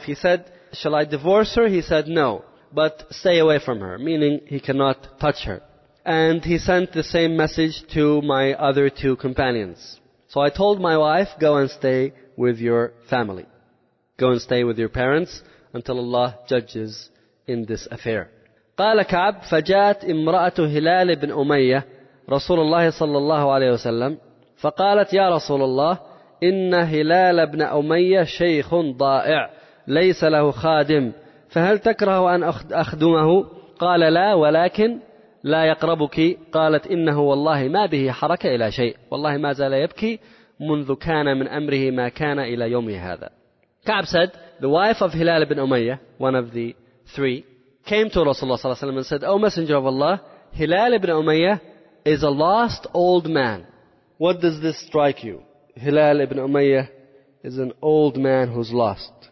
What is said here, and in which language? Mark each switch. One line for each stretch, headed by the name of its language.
English: He said, shall I divorce her? He said, no, but stay away from her, meaning he cannot touch her. And he sent the same message to my other two companions. So I told my wife, go and stay with your family. Go and stay with your parents until Allah judges in this affair.
Arabic: قال كعب فجاءت امرأة هلال بن أمية رسول الله صلى الله عليه وسلم فقالت يا رسول الله إن هلال بن أمية شيخ ضائع ليس له خادم فهل تكره أن أخدمه؟ قال لا ولكن لا يقربك. قالت إنه والله ما به حركة إلى شيء والله ما زال يبكي منذ كان من أمره ما كان إلى يومه هذا.
English: كعب said, the wife of هلال بن أمية, one of the three, came to Rasulullah ﷺ and said, O Messenger of Allah, Hilal ibn Umayyah is a lost old man. What does this strike you? Hilal ibn Umayyah is an old man who's lost.